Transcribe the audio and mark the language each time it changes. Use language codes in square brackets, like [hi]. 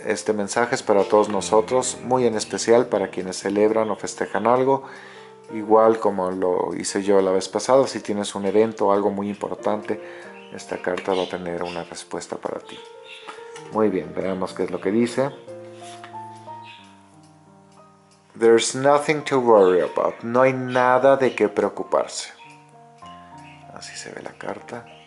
[es] Este mensaje es para todos nosotros, muy en especial para quienes celebran o festejan algo, igual como lo hice yo la vez pasada. Si tienes un evento o algo muy importante, esta carta va a tener una respuesta para ti. Muy bien, veamos qué es lo que dice. [en] There's nothing to worry about. [es] No hay nada de qué preocuparse. Así se ve la carta.